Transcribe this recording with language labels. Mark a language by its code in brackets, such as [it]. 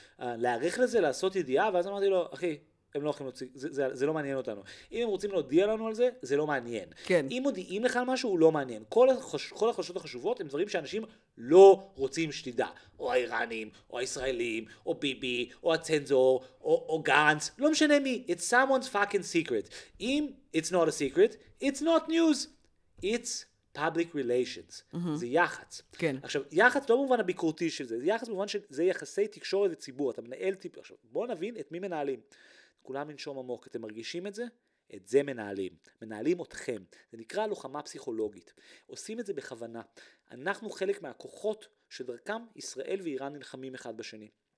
[he] להעריך לזה, לעשות ידיעה, ואז אמרתי לו, אחי, הם לא יכולים להוציא, זה לא מעניין אותנו. אם הם רוצים להודיע לנו על זה, זה לא מעניין. כן. אם מודיעים לך על משהו, הוא לא מעניין. כל החדשות החשובות הם דברים שאנשים לא רוצים שתדע. או האיראנים, או הישראלים, או ביבי, או הצנזור, או גנץ. לא משנה מי. [en] It's someone's fucking secret. [he] אם [en] it's not a secret, it's not news. It's public relations. [he] זה יחץ. כן. עכשיו, יחץ לא במובן הביקורתי של זה, זה יחץ במובן שזה יחסי תקשורת לציבור. אתה מנהל טיפ... עכשיו, בוא נבין את מי מנהלים. כולם ינשום עמוק. אתם מרגישים את זה? את זה מנהלים. מנהלים אתכם. זה נקרא לוחמה פסיכולוגית. עושים את זה בכוונה. אנחנו חלק מהכוחות שדרכם ישראל ואיראן נלחמים אחד בשני.